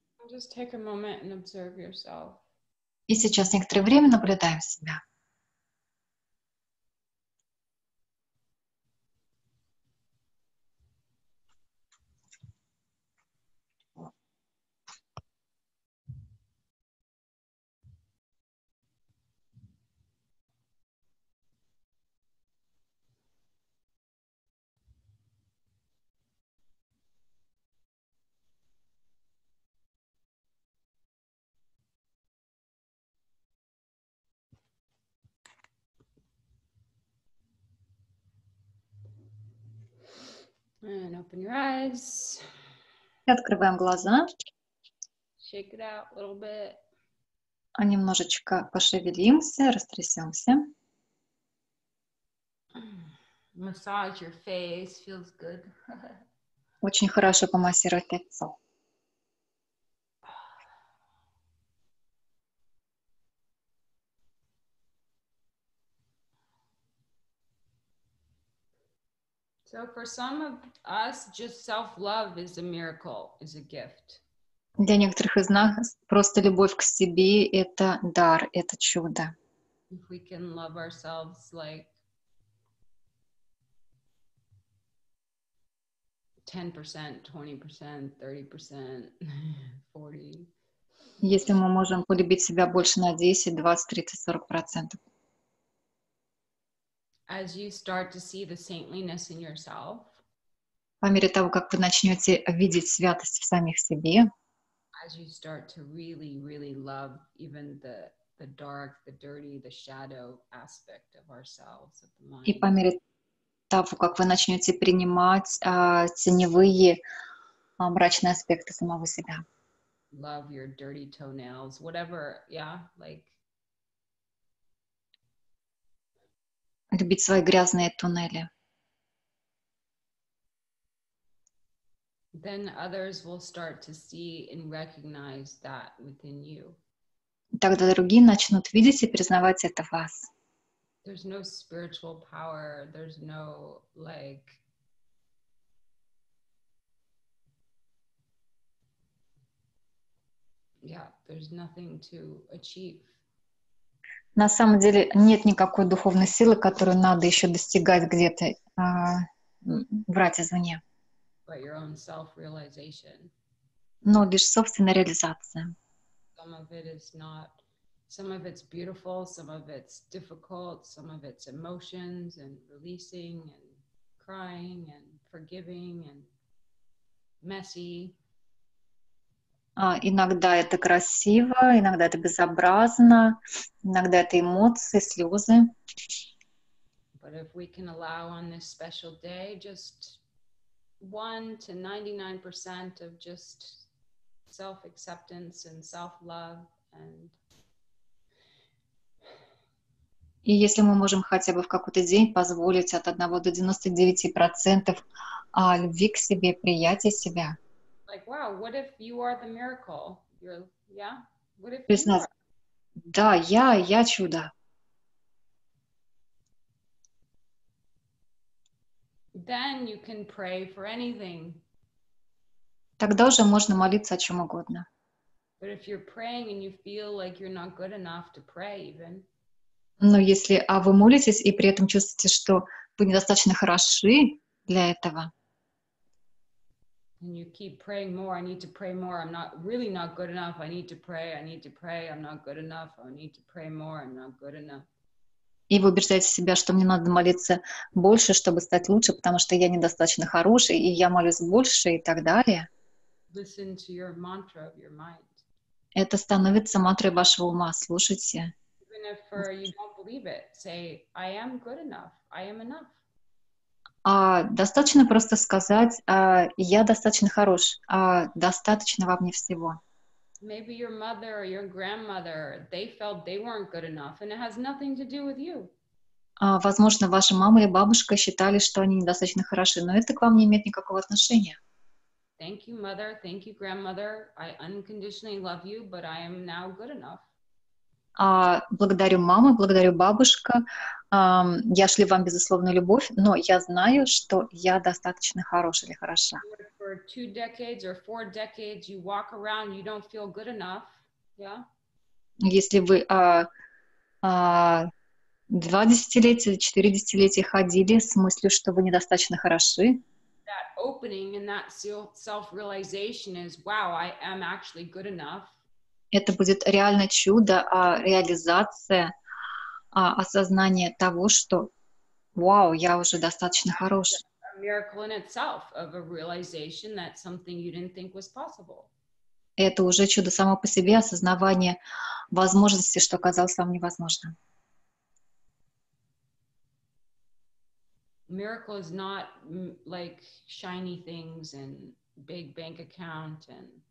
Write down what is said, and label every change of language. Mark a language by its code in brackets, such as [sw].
[en] Just take a moment and observe yourself. [ru] И сейчас некоторое время наблюдаем себя. [en] And open your eyes. [ru] Открываем глаза. [en] Shake it out a little bit. [ru] А немножечко пошевелимся, растрясемся. [en] Massage your face, feels good. [ru] Очень хорошо помассировать лицо. [en] So for some of us, just self-love is a miracle, is a gift. [ru] Для некоторых из нас просто любовь к себе — это дар, это чудо. [en] If we can love ourselves like 10%, 20%, 30%, 40%. [ru] Если мы можем полюбить себя больше на 10, 20, 30, 40%. [en] As you start to see the saintliness in yourself, [ru] по мере того, как вы начнете видеть святость в самих себе, [en] as you start to really, really love even the dark, the dirty, the shadow aspect of ourselves, of the mind. [ru] И по мере того, как вы начнете принимать теневые, мрачные аспекты самого себя. [en] Love your dirty toenails, whatever, yeah, like. [ru] Любить свои грязные туннели. [en] Then others will start to see and recognize that within you. [ru] Тогда другие начнут видеть и признавать это в вас. [en] There's no spiritual power, there's no like yeah, there's nothing to achieve. [ru] На самом деле нет никакой духовной силы, которую надо еще достигать где-то, брать извне. [en] But your own self-realization. [ru] Но лишь собственная реализация. [en] Some of it is not, some of it's beautiful, some of it's difficult, some of it's emotions and releasing and crying and forgiving and messy. [ru] Иногда это красиво, иногда это безобразно, иногда это эмоции, слезы. [en] But if we can allow on this special day just 1 to 99% of just self-acceptance and self-love and. [ru] И если мы можем хотя бы в какой-то день позволить от 1 до 99% любви к себе, приятия себя. [en] Like, wow, what if you are the miracle? You're, yeah? What if you are? [ru] Да, я чудо. [en] Then you can pray for anything. [ru] Тогда уже можно молиться о чем угодно. [en] But if you're praying and you feel like you're not good enough to pray even. [ru] Но если, а вы молитесь и при этом чувствуете, что вы недостаточно хороши для этого. [en] And you keep praying more, I need to pray more, I'm not really not good enough, I need to pray, I'm not good enough, I need to pray more, I'm not good enough. [ru] И вы убеждаете себя, что мне надо молиться больше, чтобы стать лучше, потому что я недостаточно хороший, и я молюсь больше, и так далее. [en] Listen to your mantra of your mind. [ru] Это становится мантрой вашего ума, слушайте. [en] Even if you don't believe it, say, I am good enough, I am enough. [ru] Достаточно просто сказать, я достаточно хорош, достаточно во мне всего. [en] Maybe your mother or your grandmother, they felt they weren't good enough, and it has nothing to do with you. [ru] Возможно, ваша мама и бабушка считали, что они недостаточно хороши, но это к вам не имеет никакого отношения. [en] Thank you, mother. Thank you, grandmother. I unconditionally love you, but I am now good enough. [ru] Благодарю маму, благодарю бабушка. Я шлю вам безусловную любовь, но я знаю, что я достаточно хорош или хороша. [en] For 2 decades or 4 decades you walk around, you don't feel good enough. Yeah? [ru] Если вы 2 десятилетия, 4 десятилетия ходили с мыслью, что вы недостаточно хороши. [en] That opening and that self-realization is, wow, I am actually good enough. [ru] Это будет реально чудо, реализация, осознание того, что вау, я уже достаточно хорош. [en] A miracle in itself of a realization that something you didn't think was possible. [ru] Это уже чудо само по себе, осознавание возможности, что казалось вам невозможным. [en] miracle is not like shiny things and big bank account and.